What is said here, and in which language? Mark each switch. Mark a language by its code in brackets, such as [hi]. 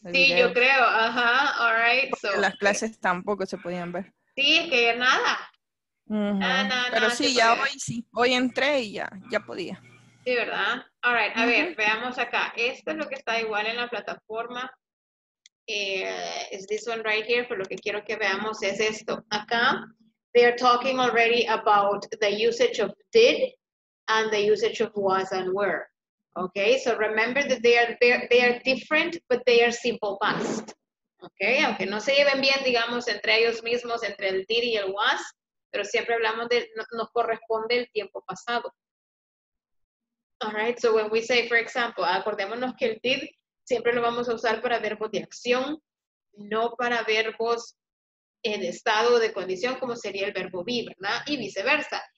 [es] Sí, yo creo, ajá, [en] all right. So, [es] las clases tampoco se podían ver. Sí, es que nada. Pero sí, ya hoy sí, hoy entré y ya podía. Sí, ¿verdad? [en] All right, [es] a ver, veamos acá. Esto es lo que está igual en la plataforma. [en] Is this one right here, [es] pero lo que quiero que veamos es esto. [en] Acá, they are talking already about the usage of did and the usage of was and were. Okay, so remember that they are different, but they are simple past. [es] Okay, aunque no se lleven bien, digamos, entre ellos mismos, entre el did y el was, pero siempre hablamos de, nos corresponde el tiempo pasado. [en] All right, so when we say, for example, [es] acordémonos que el did siempre lo vamos a usar para verbos de acción, no para verbos en estado de condición, como sería el verbo be, ¿verdad? Y viceversa.